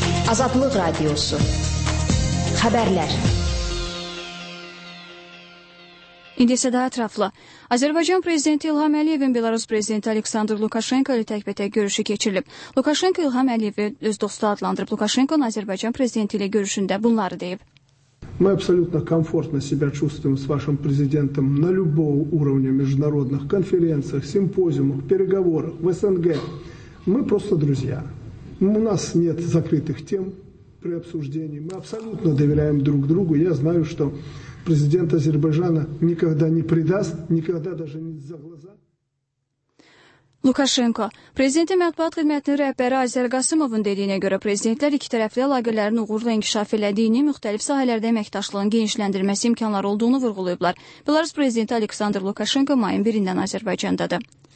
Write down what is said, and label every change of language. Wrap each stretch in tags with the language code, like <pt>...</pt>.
<az>Azadlıq Radiosu. Xəbərlər. İndi isə daha ətraflı. Azərbaycan Prezidenti İlham Əliyevin Belarus Prezidenti Aleksandr Lukaşenko ilə təkbətək görüşü keçirilib. Lukaşenko İlham Əliyevi öz dostu adlandırıb. Lukaşenko Azərbaycan Prezidenti ilə görüşündə bunları deyib.</az> <ru>Мы абсолютно комфортно себя чувствуем с вашим президентом на любом уровне международных конференциях, симпозиумах, переговорах, в СНГ. Мы просто друзья. У нас нет закрытых тем при обсуждении. Мы абсолютно доверяем друг другу. Я знаю, что президент Азербайджана никогда не предаст, никогда даже не за глаза.</ru> <az>Lukaşenko, Prezidentin mətbuat xidmətinin rəhbəri Azər Qasımovun dediyinə görə prezidentlər iki tərəfli əlaqələrin uğurla inkişaf elədiyini, müxtəlif sahələrdə əməkdaşlığın genişləndirilməsi imkanları olduğunu vurğulayıblar. Belarus Prezidenti Aleksandr Lukaşenko mayın 1-dən Azərbaycandadır.</az>